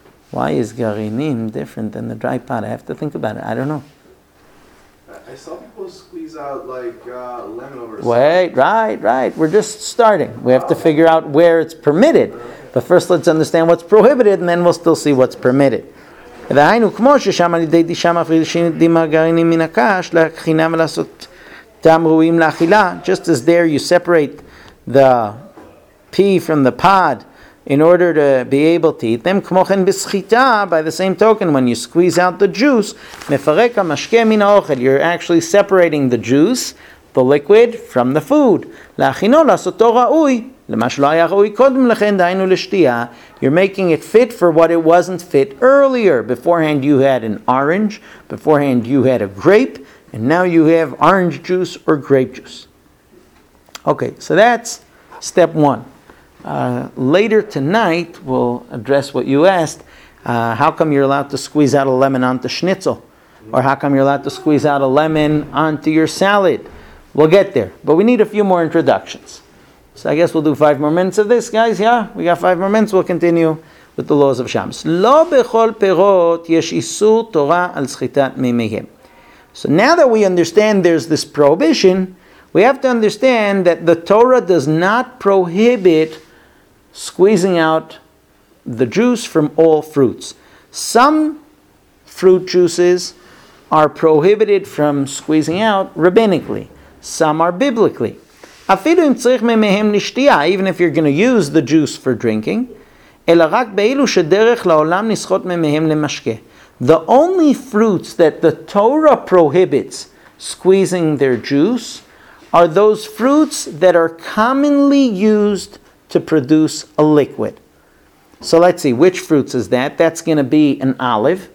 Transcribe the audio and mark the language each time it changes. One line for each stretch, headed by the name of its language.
English: Why is garinim different than the dry pod? I have to think about it. I don't know. I saw people squeeze out like lemon over... Wait, right. We're just starting. We have to figure out where it's permitted. But first let's understand what's prohibited, and then we'll still see what's permitted.
Hebrew: והיינו כמו ששם על ידי דישה מפרישים דים הגרעינים מן הקש להכינה ולעשות טעם ראויים לאכילה.
English: Just as there you separate the pea from the pod in order to be able to eat them,
Hebrew: כמו כן בסחיטה,
English: by the same token, when you squeeze out the juice,
Hebrew: מפרק המשקה מן האוכל,
English: you're actually separating the juice, the liquid, from the food.
Hebrew: להכינו לעשותו ראוי, למה שלא היה ראוי קודם לכן, דהיינו לשתייה.
English: You're making it fit for what it wasn't fit earlier. Beforehand you had an orange, beforehand you had a grape, and now you have orange juice or grape juice. Okay, so that's step one. Later tonight, we'll address what you asked. How come you're allowed to squeeze out a lemon onto schnitzel? Or how come you're allowed to squeeze out a lemon onto your salad? We'll get there, but we need a few more introductions. So I guess we'll do 5 more minutes of this, guys. Yeah, we got 5 more minutes. We'll continue with the laws of Shams.
Hebrew: Lo bechol perot yesh isur Torah al schitat mimehim.
English: So now that we understand there's this prohibition, we have to understand that the Torah does not prohibit squeezing out the juice from all fruits. Some fruit juices are prohibited from squeezing out rabbinically. Some are biblically.
Hebrew: אפילו אם צריך ממהם לשתייה,
English: even if you're going to use the juice for drinking,
Hebrew: אלא רק באילו שדרך לעולם נסחות ממהם למשקה.
English: The only fruits that the Torah prohibits squeezing their juice are those fruits that are commonly used to produce a liquid. So let's see, which fruits is that? That's going to be an olive.